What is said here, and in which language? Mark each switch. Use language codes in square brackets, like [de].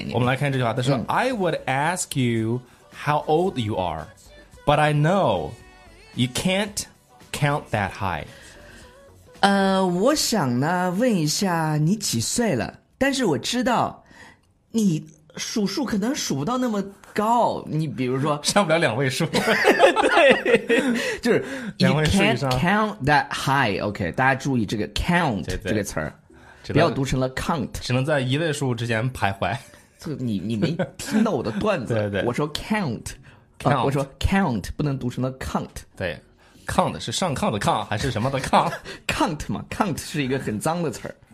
[en] 我们来看这句话，他说、 I would ask you how old you are, but I know you can't count that high。 [zh] 我想呢问一下你几岁了，但是我知道你数数可能数不到那么高，你比如说上不了两位数。对，就是两位数以上。 [en] You can't count that high, OK, 大家注意这个 count [zh] 对对这个词儿，不要读成了 count, 只能在一位数之间徘徊。你没听到我的段子。对对，我说 count, [en] count.、 [zh] 我说 count 不能读成了 count。对，count 是上炕的炕还是什么的炕？ count 嘛， count 是一个很脏的词儿。